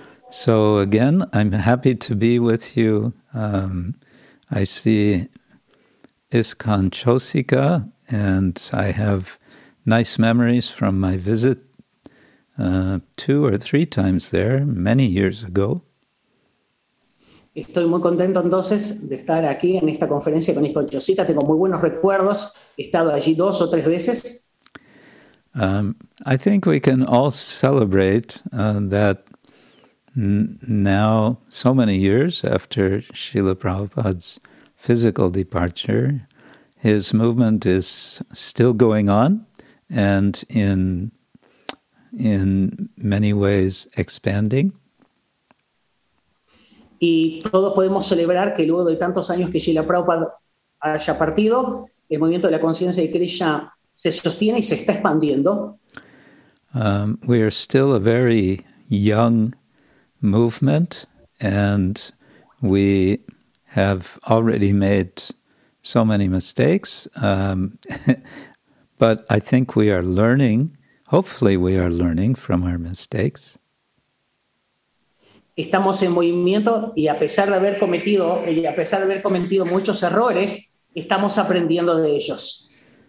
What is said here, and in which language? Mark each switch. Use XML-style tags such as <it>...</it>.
<en>So again, I'm happy to be with you. I see ISKCON Chosika, and I have nice memories from my visit two or three times there many years ago.</en> <es>Estoy muy contento entonces de estar aquí en esta conferencia con ISKCON Chosika. Tengo muy buenos recuerdos. He estado allí dos o tres veces.</es> <en>I think we can all celebrate that. Now, so many years after Srila Prabhupada's physical departure, his movement is still going on and in many ways expanding.</en> <es>Y todos podemos celebrar que luego de tantos años que Srila Prabhupada haya partido, el movimiento de la conciencia de Krishna se sostiene y se está expandiendo.</es> <en>We are still a very young movement, and we have already made so many mistakes, but I think we are learning, hopefully we are learning from our mistakes.</en> <es>Estamos en movimiento, y a pesar de haber cometido muchos errores, estamos aprendiendo de ellos.</es>